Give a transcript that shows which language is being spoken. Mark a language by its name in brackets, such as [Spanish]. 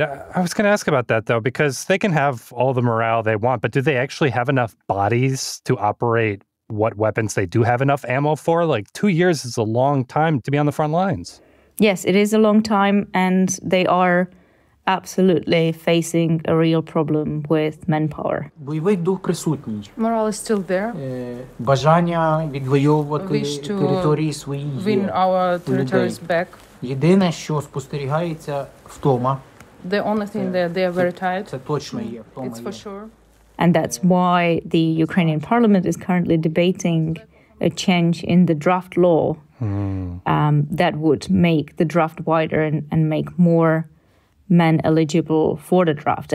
[English] I was going to ask about that, though, because they can have all the morale they want, but do they actually have enough bodies to operate what weapons they do have enough ammo for? Like, 2 years is a long time to be on the front lines. Yes, it is a long time, and they are absolutely facing a real problem with manpower. [Ukrainian] Бойовий дух присутній. [English] Morale is still there. [Ukrainian] Бажання відвоювати території свої. [English] Win our territories back. [Ukrainian] Єдине, що спостерігається, втома. [English] The only thing that they are very tired. [Ukrainian] Це точно є. [English] It's for sure. And that's why the Ukrainian parliament is currently debating a change in the draft law that would make the draft wider and make more men eligible for the draft.